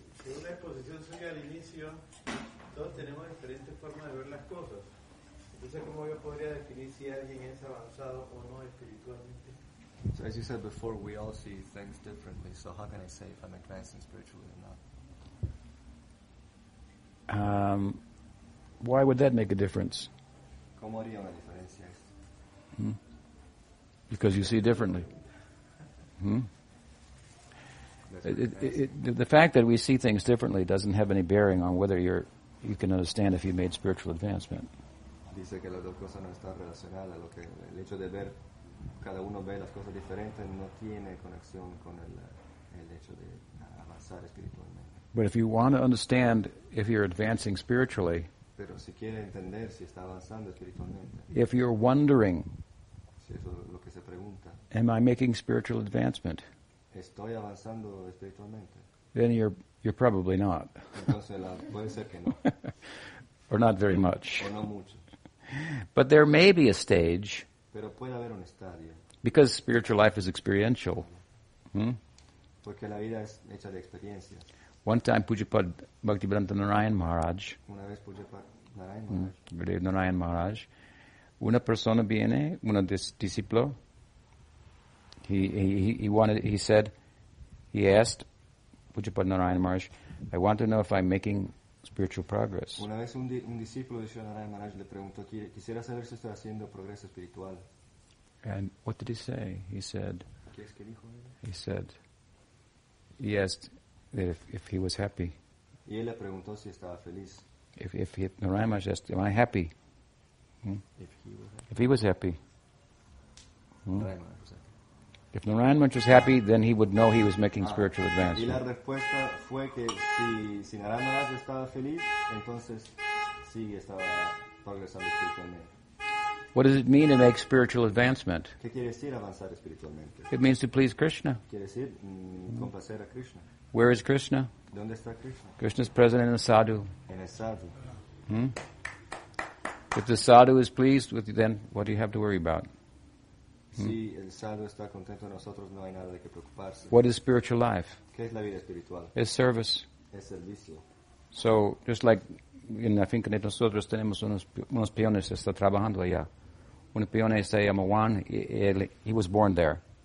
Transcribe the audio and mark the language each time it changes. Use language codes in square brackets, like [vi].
[es] Según la exposición suya al inicio, todos tenemos diferentes formas de ver las cosas. Entonces, ¿cómo yo podría definir si alguien es avanzado o no espiritualmente? [en] So, as you said before, we all see things differently. So, how can I say if I'm advancing spiritually or not? Why would that make a difference? [es] ¿Cómo haría una diferencia? [en] Because you see differently. The fact that we see things differently doesn't have any bearing on whether you can understand if you made spiritual advancement. [es] Dice que las dos cosas no están relacionadas. El hecho de ver, cada uno ve las cosas diferentes, no tiene conexión con el hecho de avanzar espiritualmente. [en] But if you want to understand if you're advancing spiritually, [es] pero si quiere entender si está avanzando espiritualmente, [en] if you're wondering, [es] si eso es lo que se pregunta, [en] am I making spiritual advancement? [es] Estoy avanzando espiritualmente. [en] Then you're probably not. [es] Entonces, puede ser que no. [en] Or not very much. [es] O no mucho. [en] But there may be a stage. [es] Pero puede haber un estadio. [en] Because spiritual life is experiential. [es] Porque la vida es hecha de experiencias. [en] One time, Pujapad Bhaktivedanta Narayan Maharaj. [es] Una vez Pujapad Narayan Maharaj. Narayan Maharaj. Una persona viene, un discípulo, [en] He asked Pujapad Narayan Maharaj, I want to know if I'm making spiritual progress. [es] Una vez un discípulo de Shri Narayan Maharaj le preguntó, quisiera saber si estoy haciendo progreso espiritual. [en] And what did he say? He said, [es] ¿qué es que dijo? [en] He said, he asked that if he was happy. [es] Y él le preguntó si estaba feliz. [en] If Narayan Maharaj asked, am I happy? If he was happy. If Narayan Maharaj was happy, then he would know he was making spiritual advancement. [es] Y la respuesta fue que si Narayan Maharaj estaba feliz, entonces sí estaba progresando espiritualmente. [en] What does it mean to make spiritual advancement? [es] ¿Qué quiere decir avanzar espiritualmente? [en] It means to please Krishna. [es] Quiere decir, complacer a Krishna. [en] Where is Krishna? [es] ¿Dónde está Krishna? [en] Krishna's present in the sadhu. [es] En el sadhu. [en] If the sadhu is pleased with you, then what do you have to worry about? [es] Si el sadhu está contento de nosotros, no hay nada de que preocuparse. [en] What is spiritual life? [es] ¿Qué es la vida espiritual? [en] It's service. [es] Es servicio. [en] So, just like [es] en la finca de nosotros tenemos unos peones que están trabajando allá. Un peón se llama Juan, [en] he was born there.